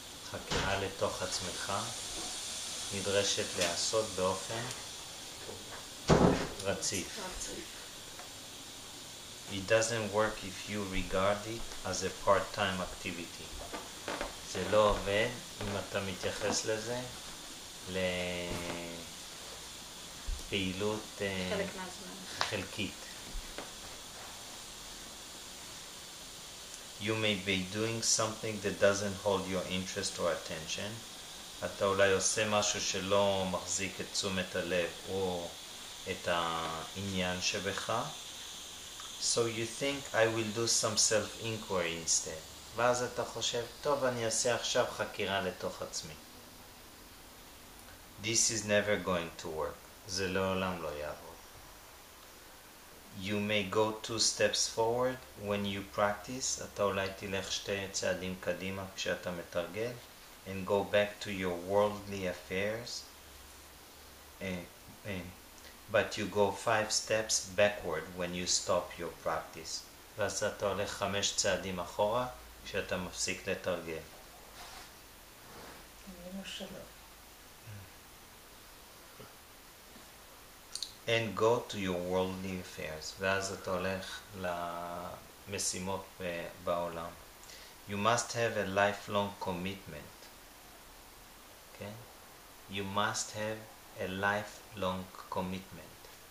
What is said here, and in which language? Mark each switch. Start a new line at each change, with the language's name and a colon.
Hebrew: חקירה לתוך עצמך נדרשת לעשות באופן רציף.
English: It doesn't work if you regard it as a part-time activity.
Hebrew: זה לא עובד אם אתה מתייחס לזה לפעילות חלקית.
English: You may be doing something that doesn't hold your interest or attention.
Hebrew: אתה אולי עושה משהו שלא מחזיק את תשומת הלב או את העניין שבך.
English: So you think I will do some self-inquiry instead.
Hebrew: ואז אתה חושב, טוב, אני אעשה עכשיו חקירה לתוך עצמי.
English: This is never going to work.
Hebrew: זה לעולם לא יעבור.
English: You may go two steps forward when you practice.
Hebrew: אתה אולי תלך שתי צעדים קדימה כשאתה מתרגל,
English: and go back to your worldly affairs. But you go five steps backward when you stop your practice.
Hebrew: ואז אתה הולך חמש צעדים אחורה כשאתה מפסיק לתרגל.
English: And go to your worldly affairs.
Hebrew: ואז אתה הולך למשימות בעולם.
English: You must have a lifelong commitment. Okay? You must have a lifelong commitment.